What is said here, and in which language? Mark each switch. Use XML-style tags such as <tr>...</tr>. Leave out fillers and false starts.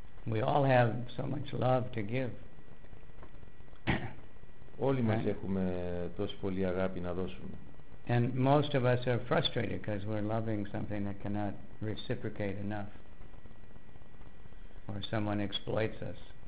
<en>We all have so much love to give.</en> <el>Όλοι μας έχουμε τόση πολύ αγάπη να δώσουμε.</el> <en>And most of us are frustrated because we're loving something that cannot reciprocate enough, or someone exploits us.</en>